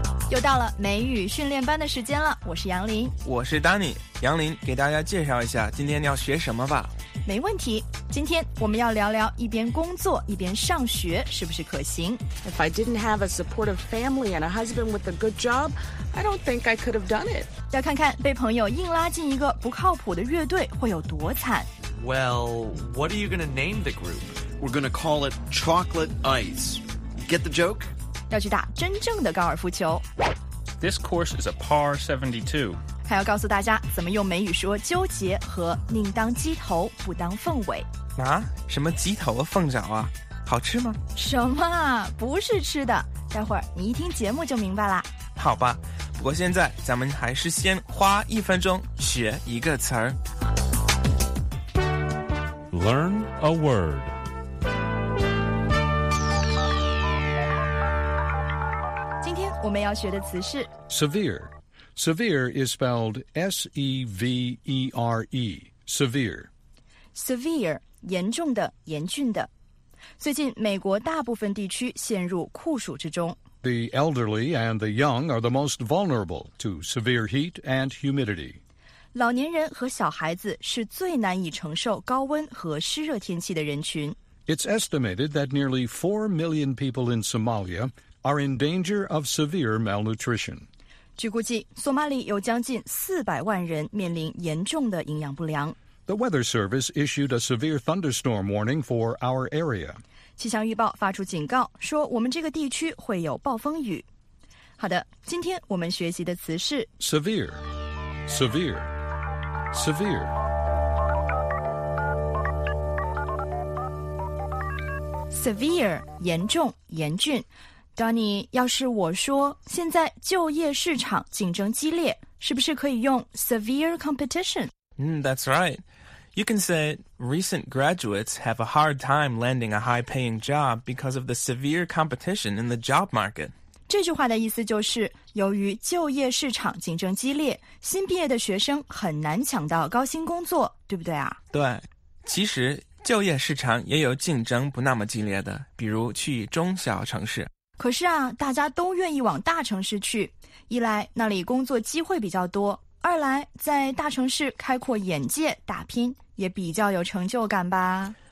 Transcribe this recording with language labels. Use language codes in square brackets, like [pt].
[zh] 又到了美语训练班的时间了，我是杨林，我是 Danny。杨林，给大家介绍一下今天要学什么吧。没问题，今天我们要聊聊一边工作一边上学是不是可行。 [en] If I didn't have a supportive family and a husband with a good job, I don't think I could have done it. [zh] 要看看被朋友硬拉进一个不靠谱的乐队会有多惨。 [en] Well, what are you going to name the group? We're going to call it Chocolate Ice. Get the joke? [zh] 要去打真正的高尔夫球。 [en] This course is a par 72. [zh] 还要告诉大家怎么用美语说纠结和宁当鸡头不当凤尾。啊？什么鸡头啊凤脚啊？好吃吗？什么？不是吃的。待会儿你一听节目就明白了。好吧，不过现在咱们还是先花一分钟学一个词儿。 [en] Learn a word. [zh] 我们要学的词是 [en] severe. Severe is spelled S-E-V-E-R-E. Severe. [zh] Severe, 严重的，严峻的。最近美国大部分地区陷入酷暑之中。 [en] The elderly and the young are the most vulnerable to severe heat and humidity. [zh] 老年人和小孩子是最难以承受高温和湿热天气的人群。 [en] It's estimated that nearly 4 million people in Somalia... are in danger of severe malnutrition. [zh] 据估计，索马里有将近400万人面临严重的营养不良。 [en] The Weather Service issued a severe thunderstorm warning for our area. [zh] 气象预报发出警告，说我们这个地区会有暴风雨。好的，今天我们学习的词是 [en] severe, severe, severe. [zh] Severe, 严重，严峻。Danny, 要是我说现在就业市场竞争激烈，是不是可以用 severe competition? [en] That's right. You can say recent graduates have a hard time landing a high-paying job because of the severe competition in the job market. [zh] 这句话的意思就是，由于就业市场竞争激烈，新毕业的学生很难抢到高薪工作，对不对啊？对，其实就业市场也有竞争不那么激烈的，比如去中小城市。可是啊，大家都愿意往大城市去，一来那里工作机会比较多，二来在大城市开阔眼界打拼也比较有成就感吧。